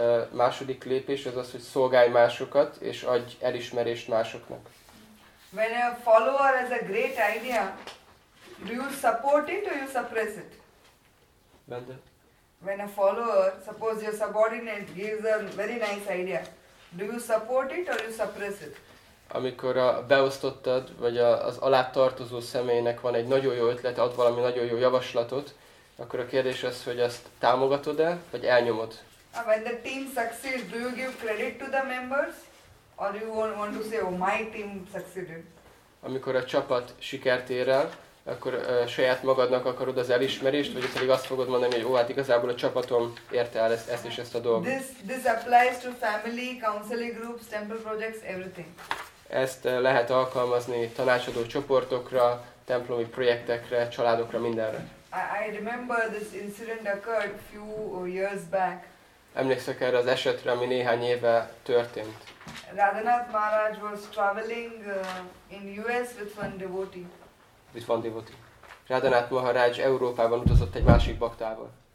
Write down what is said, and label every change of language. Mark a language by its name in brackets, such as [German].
[Hungarian] Második lépés az az, hogy szolgálj másokat és adj elismerést másoknak. [English] When a follower has a great idea, do you support it or you suppress it? When a follower, suppose your subordinate gives a very nice idea, do you support it or you suppress it? [Hungarian] Amikor a beosztottad, vagy az alá tartozó személynek van egy nagyon jó ötlet, ad valami nagyon jó javaslatot, akkor a kérdés az, hogy ezt támogatod-e, vagy elnyomod? [English] When the team succeeds, do you give credit to the members? Or you want to say, oh, my team succeeded? [Hungarian] Amikor a csapat sikert ér el, akkor saját magadnak akarod az elismerést, vagy pedig azt fogod mondani, hogy hát igazából a csapatom érte el ezt és ezt a dolgot. [English] This applies to family, counseling groups, temple projects, everything. [Hungarian] Ezt lehet alkalmazni tanácsadó csoportokra, templomi projektekre, családokra, mindenre. [English] I remember this incident occurred few years back. [Hungarian] Emlékszek erre az esetre, ami néhány éve történt. [English] Radhanath Maharaj was traveling in US with one devotee. With one devotee. [Hungarian] Radhanath Maharaj Európában utazott egy másik baktával.